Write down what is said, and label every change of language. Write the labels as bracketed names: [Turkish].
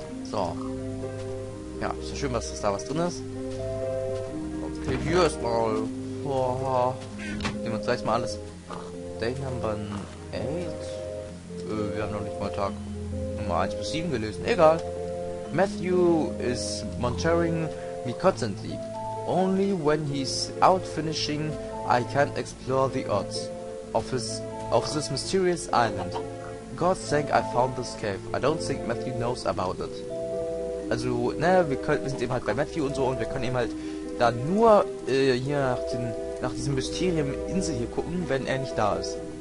[German] So. Ja, ist ja schön, dass das da was drin ist. Okay, hier ist mal. Boah. Nehmen wir uns gleich mal alles. Den haben wir ein 8. Wir haben noch nicht mal Tag Nummer 1 bis 7 gelesen. Egal. [English] Matthew is monitoring me constantly. Only when he's out finishing, I can't explore the odds of this mysterious island. God thank I found this cave. I don't think Matthew knows about it. [German] Also, naja, wir sind eben halt bei Matthew und so und wir können eben halt da nur hier nach diesem Mysterium-Insel hier gucken, wenn er nicht da ist.